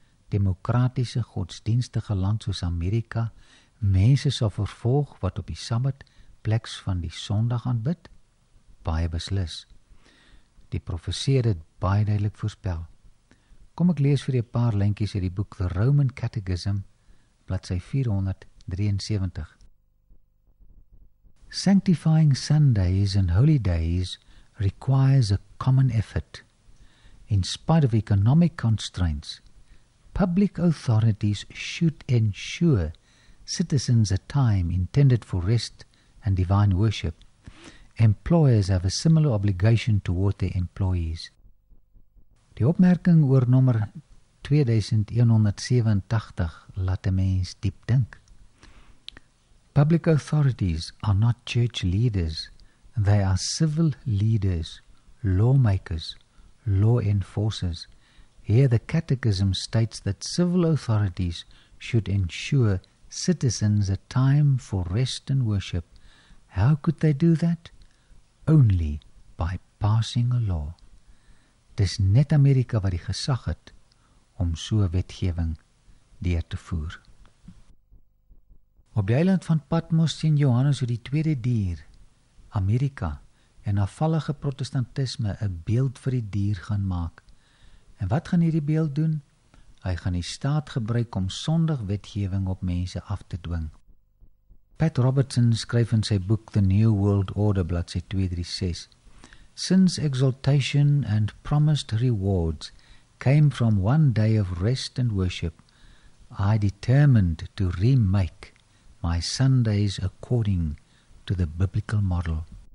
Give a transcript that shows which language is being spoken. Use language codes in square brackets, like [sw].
[af] demokratiese godsdienstige land soos Amerika mense sal vervolg wat op die Sabbat pleks van die Sondag aanbid? Baie beslis. Die profesie het dit baie duidelik voorspel. Kom ek lees vir jou 'n paar lintjies uit die boek The Roman Catechism, bladsy 473. [en] Sanctifying Sundays and holy days requires a common effort. In spite of economic constraints, public authorities should ensure citizens a time intended for rest and divine worship. Employers have a similar obligation toward their employees. [af] Die opmerking oor nommer 2187 laat 'n mens diep dink. [en] Public authorities are not church leaders. They are civil leaders, lawmakers, law enforcers. Here the catechism states that civil authorities should ensure citizens a time for rest and worship. How could they do that? Only by passing a law. [af] Dis net Amerika wat die gesag het om so wetgewing deur te voer. Op die eiland van Patmos sien Johannes hoe die tweede dier, Amerika, en afvallige protestantisme 'n beeld vir die dier gaan maak. En wat gaan hierdie beeld doen? Hy gaan die staat gebruik om sondig wetgewing op mense af te dwing. [en] Pat Robertson [af] skryf in sy boek [en] The New World Order, [af] bladsy 236, [en] Since exaltation and promised rewards came from one day of rest and worship, I determined to remake my Sundays according to the biblical model.